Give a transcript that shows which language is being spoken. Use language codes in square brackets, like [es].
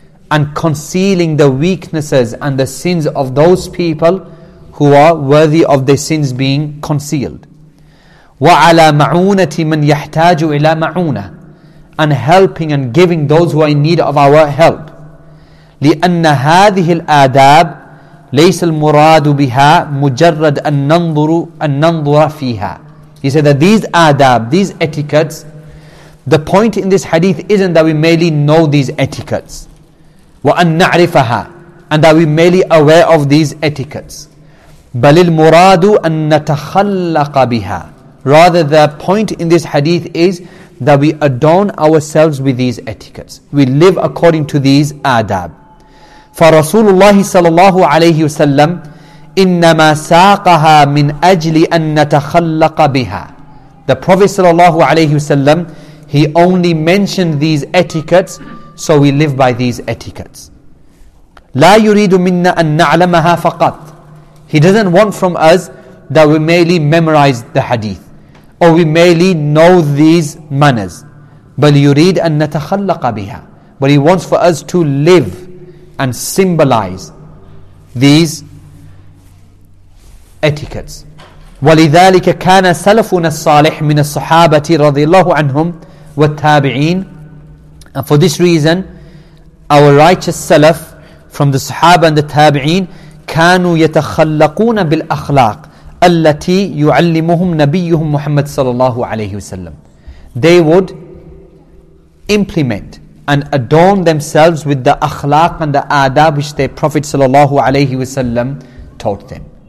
[en] And concealing the weaknesses and the sins of those people who are worthy of their sins being concealed. [ar] وَعَلَى مَعُونَةِ مَنْ يَحْتَاجُ إِلَى مَعُونَةِ. [en] And helping and giving those who are in need of our help. [ar] لِأَنَّ هَذِهِ الْآدَابِ ليس المراد بها مجرد أن ننظر فيها. [en] He said that these adab, these etiquettes, the point in this hadith isn't that we merely know these etiquettes, [ar] وأن نعرفها, [en] and that we merely aware of these etiquettes. [ar] بل المراد أن نتخلق بها. [en] Rather, the point in this hadith is that we adorn ourselves with these etiquettes. We live according to these adab. [ar] فرسول الله صلى الله عليه وسلم إنما ساقها من أجل أن نتخلق بها. [en] The Prophet [ar] صلى الله عليه وسلم, [en] he only mentioned these etiquettes, so we live by these etiquettes. [ar] لا يريد منا أن نعلمها فقط. [en] He doesn't want from us that we merely memorize the hadith or we merely know these manners. [ar] بل يريد أن نتخلق بها. [en] But he wants for us to live and symbolize these etiquettes. [ar] ولذلك كان سلفنا الصالح من الصحابة رضي الله عنهم والتابعين. [en] And for this reason, our righteous salaf from the Sahaba and the Tabi'in [ar] كانوا يتخلقون بالأخلاق التي يعلمهم نبيهم محمد صلى الله عليه وسلم. [en] They would implement and adorn themselves with the akhlaq and the adab which their Prophet sallallahu alayhi wasallam taught them.